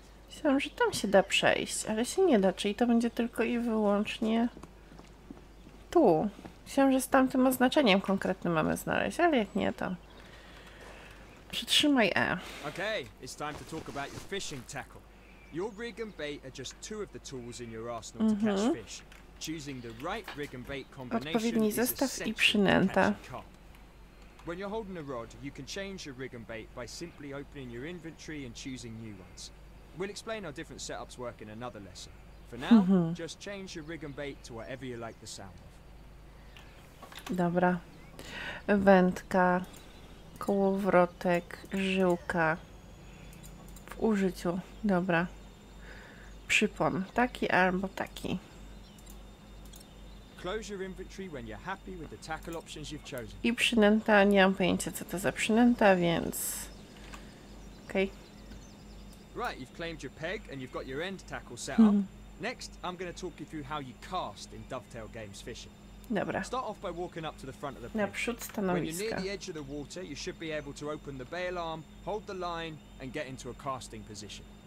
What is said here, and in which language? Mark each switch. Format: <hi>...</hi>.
<pl>Myślałam, że tam się da przejść, ale się nie da. Czyli to będzie tylko i wyłącznie... Tu. Myślałam, że z tamtym oznaczeniem konkretnym mamy znaleźć, ale jak nie, to... Przytrzymaj E.</pl> <en>Okay, it's time to talk about your fishing tackle. Your rig and bait are just two of the tools in your arsenal to catch fish. Choosing the right rig and bait combination is essential to catch carp. When you're holding a rod, you can change your rig and bait by simply opening your inventory and choosing new ones. We'll explain how different setups work in another lesson. For now, just change your rig and bait to whatever you like the sound.</en> <pl>Dobra. Wędka, kołowrotek, żyłka. W użyciu. Dobra. Przypon. Taki albo taki.</pl> <en>Close your inventory when you're happy with the tackle options you've chosen.</en> <pl>I przynęta. Nie mam pojęcia, co to za przynęta, więc... Okej.</pl> <en>Right, you've claimed your peg and you've got your end tackle set up. Next, I'm going to talk you through how you cast in Dovetail Games Fishing.</en> <pl>Dobra.</pl> <en>Start off by walking up to the front of the pen. When you're near the edge of the water, you should be able to open the bail arm, hold the line, and get into a casting position.</en>